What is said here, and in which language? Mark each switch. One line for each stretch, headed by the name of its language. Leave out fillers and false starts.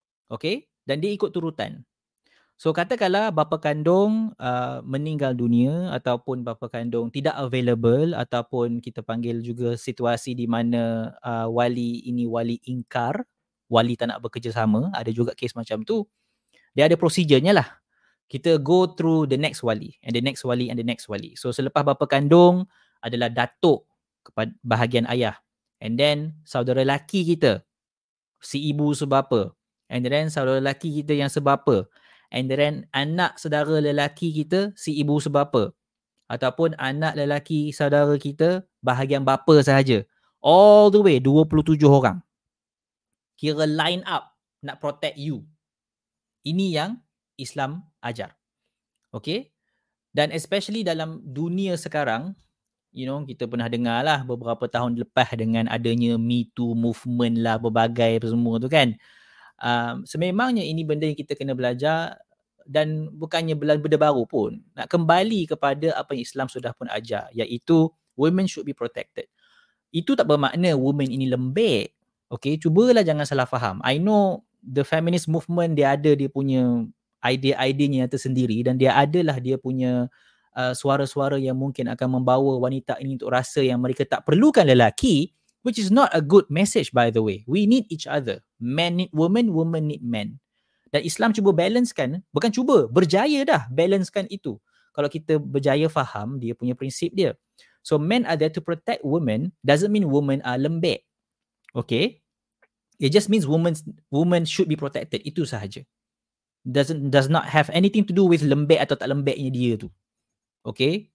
Malay: Okay? Dan dia ikut turutan. So katakanlah bapa kandung meninggal dunia ataupun bapa kandung tidak available ataupun kita panggil juga situasi di mana wali ini wali ingkar, wali tak nak bekerjasama, ada juga kes macam tu. Dia ada prosedurnya lah. Kita
English: go through the next wali and the next wali and the next wali.
Malay: So selepas bapa kandung adalah datuk kepada bahagian ayah.
English: And then
Malay: saudara lelaki kita, si ibu sebapa.
English: And then
Malay: saudara lelaki kita yang sebapa.
English: And then
Malay: anak saudara lelaki kita, si ibu sebapa. Ataupun anak lelaki saudara kita, bahagian bapa sahaja.
English: All the way, 27
Malay: orang. Kira
English: line up
Malay: nak
English: protect you.
Malay: Ini yang Islam ajar. Okay? Dan especially dalam dunia sekarang,
English: you know,
Malay: kita pernah dengar lah beberapa tahun lepas dengan adanya Me Too movement lah, berbagai semua tu kan. Sememangnya ini benda yang kita kena belajar dan bukannya benda baru pun. Nak kembali kepada apa yang Islam sudah pun ajar, iaitu
English: women should be protected.
Malay: Itu tak bermakna women ini lembek. Okay, cubalah jangan salah faham.
English: I know the feminist movement
Malay: dia ada dia punya idea-idea yang tersendiri dan dia adalah dia punya suara-suara yang mungkin akan membawa wanita ini untuk rasa yang mereka tak perlukan lelaki,
English: which is not a good message by the way. We need each other. Men need women, women need men.
Malay: Dan Islam cuba balancekan, bukan cuba, berjaya dah balancekan itu. Kalau kita berjaya faham dia punya prinsip dia.
English: So men are there to protect women, doesn't mean women are lembek. Okay? It just means women should be protected.
Malay: Itu sahaja.
English: Does not have anything to do with
Malay: lembek atau tak lembeknya dia tu.
English: Okay?